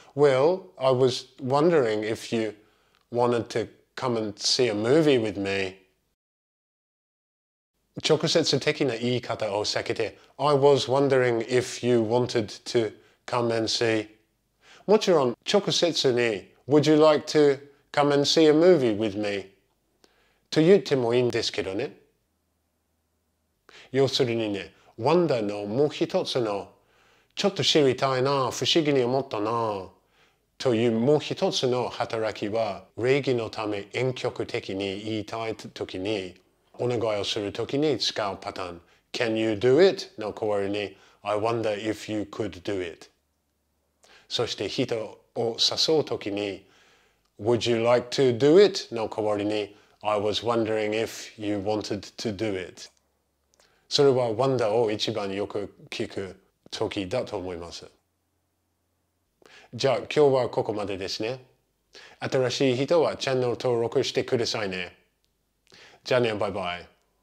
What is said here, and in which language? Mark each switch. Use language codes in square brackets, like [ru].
[en] Well, I was wondering if you wanted to come and see a movie with me. [ja] 直接的な言い方を避けて、 [en] I was wondering if you wanted to come and see. もちろん直接に Would you like to come and see a movie with me? [ja] と言ってもいいんですけどね。要するにね、ワンダーのもう一つの、ちょっと知りたいな、不思議に思ったな、というもう一つの働きは、礼儀のため婉曲的に言いたいときに、お願いをするときに使うパターン。 [en] Can you do it? [ja] の代わりに、 [en] I wonder if you could do it. [ja] そして人を誘うときに、 [en] Would you like to do it? [ja] の代わりに、 [en] I was wondering if you wanted to do it. [ja] それはワンダーを一番よく聞く時だと思います。じゃあ今日はここまでですね。新しい人はチャンネル登録してくださいね。じゃあね、バイバイ。